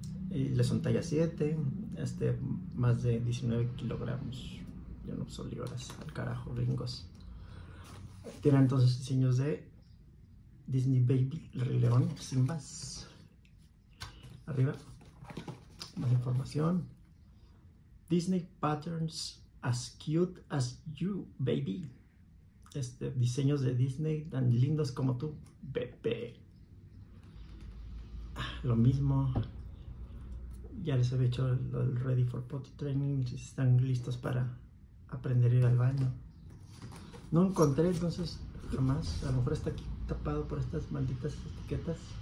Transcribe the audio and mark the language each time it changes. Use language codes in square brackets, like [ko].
[es] Y le son talla 7, más de 19 kilogramos. Yo no uso libras, al carajo, gringos. Tiene entonces diseños de Disney Baby, Rey León, Simbas. Arriba, más información. [en] Disney Patterns as cute as you, baby. [es] Diseños de Disney tan lindos como tú, bebé. Lo mismo. Ya les había hecho el Ready for Potty Training, si están listos para aprender a ir al baño. No encontré entonces jamás, a lo mejor está aquí tapado por estas malditas etiquetas.